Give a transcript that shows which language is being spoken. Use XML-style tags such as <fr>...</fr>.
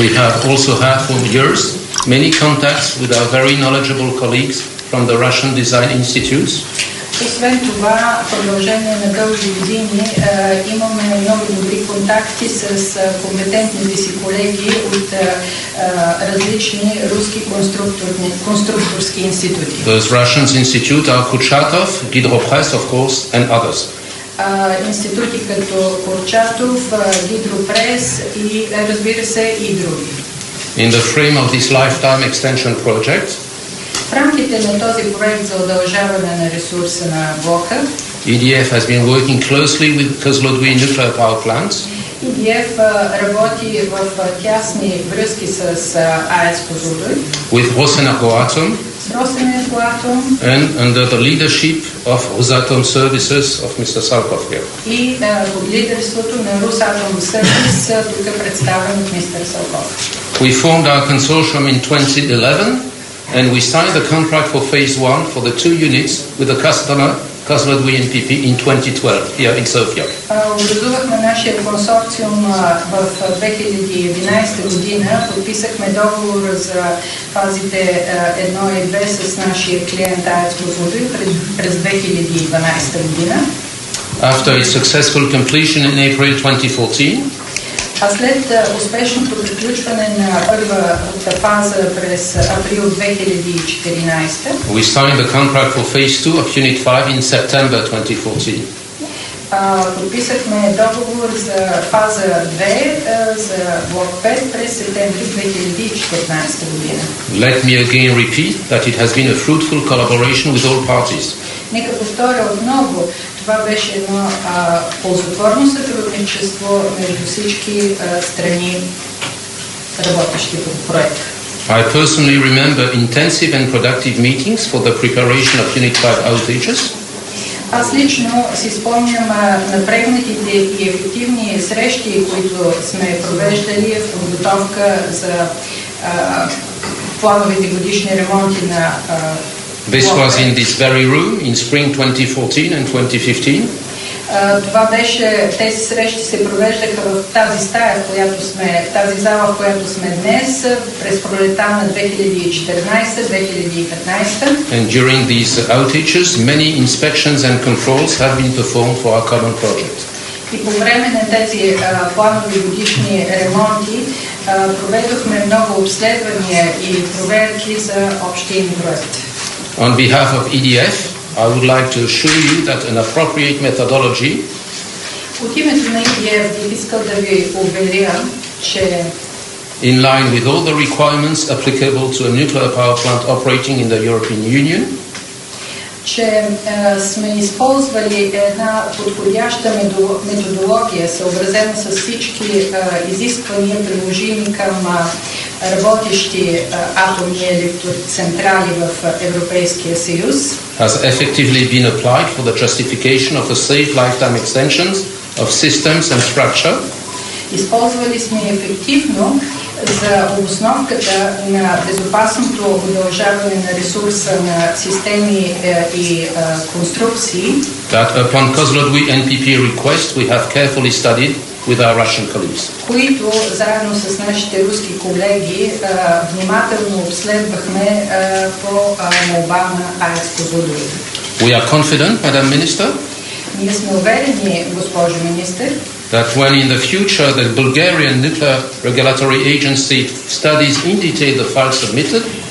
<en>We have also had for years many contacts with our very knowledgeable colleagues from the Russian Design Institutes.</en> <bg>Освен това, продължение на дълги години, имаме много добри контакти с компетентните си колеги от различни руски конструкторски институти.</bg> <en>Those Russian institutes are Kurchatov, Gidropress, of course, and others.</en> <bg>Институти като Kurchatov, Gidropress и, разбира се, и други.</bg> <en>In the frame of this lifetime extension project,</en> <bg>в рамките на този проект за удължаване на ресурса на блока,</bg> <en>EDF has been working closely with Kozloduy nuclear power plants.</en> <bg>EDF работи в тясни връзки с АЕЦ Козлодуй.</bg> <en>With Rosenergoatom.</en> <bg>С Rosenergoatom.</bg> <en>And under the leadership of Rosatom Services of Mr. Salkov here.</en> <bg>И под лидерството на Rosatom Services, тук представен от мистер Салков.</bg> <en>We formed our consortium in 2011. And we signed the contract for phase one for the two units with the customer, Kozloduy NPP, in 2012, here in Sofia.</en> <bg>Образувахме нашия консорциум в 2011 година, подписахме договор за фазите 1 и 2 с нашия клиент АЕЦ Козлодуй през 2012 година.</bg> <en>After its successful completion in April 2014,</en> <bg>а след успешното приключване на първата фаза през април 2014,</bg> <en>we signed the contract for phase 2 of unit 5 in September 2014.</en> <bg>Подписахме договор за фаза 2 за блок 5 през септември 2014 година.</bg> <en>Let me again repeat that it has been a fruitful collaboration with all parties.</en> <bg>Нека повторя отново. Това беше едно ползотворно сътрудничество между всички страни, работещи по проекта.</bg> <en>I personally remember intensive and productive meetings for the preparation of Unit 5 outages.</en> <bg>Аз лично си спомням напрегнатите и ефективни срещи, които сме провеждали в подготовка за плановите годишни ремонти на</bg> <en>This was in this very room in spring 2014 and 2015.</en> <bg>Това беше, тези срещи се провеждаха в тази стая, в която сме, тази зала, в която сме днес, през пролета на 2014-2015.</bg> <en>And during these outages, many inspections and controls have been performed for our common project.</en> <bg>И по време на тези планови годишни ремонти проведохме много обследвания и проверки за общия проект.</bg> <en>On behalf of EDF, I would like to assure you that an appropriate methodology.</en> <bg>От името на EBRD искам да ви уверя, че</bg> <en>in line with all the requirements applicable to a nuclear power plant operating in the European Union,</en> <bg>че сме използвали една подходяща методология, съобразена с всички изисквания, приложими към работещи атомни електроцентрали в Европейския съюз,</bg> <en>has effectively been applied for the justification of the safe lifetime extensions of systems and structure.</en> <bg>Използвали сме ефективно за обосновката на безопасното удължаване на ресурса на системи и конструкции.</bg> <en>That upon Kozlovy NPP request we have carefully studied with our Russian colleagues.</en> <bg>Които заедно с нашите руски колеги внимателно обследвахме по молба на АЕЦ Козлодуй.</bg> <en>We are confident, Madam Minister.</en> <bg>Ние сме уверени, госпожо министър,</bg> <en>that when in the future the Bulgarian Nuclear Regulatory Agency studies in detail the files submitted,</en>